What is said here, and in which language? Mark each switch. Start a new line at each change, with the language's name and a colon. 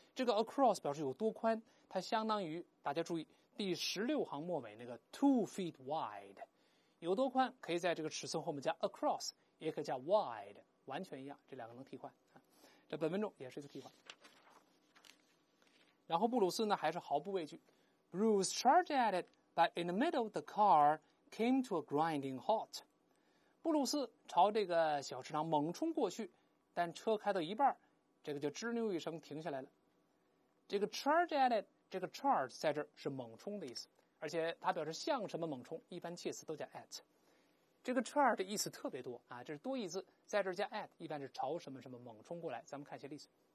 Chinese: 这个 across 表示有多宽，它相当于大家注意。第十六行末尾那个 two feet wide，有多宽可以在这个尺寸后面加 across， 也可以加 wide， 完全一样，这两个能替换。这本文中也是一个替换。然后布鲁斯呢还是毫不畏惧。
English: Bruce charged at it, but in the middle the car came to a grinding halt。
Chinese: 布鲁斯朝这个小池塘猛冲过去，但车开到一半，这个就吱扭一声停下来了。这个 charge at it。这个 charge 在这是猛冲的意思，而且它表示像什么猛冲，一般介词都加 at。这个 charge 的意思特别多啊，这是多义字，在这加 at 一般是朝什么什么猛冲过来。咱们看一些例子。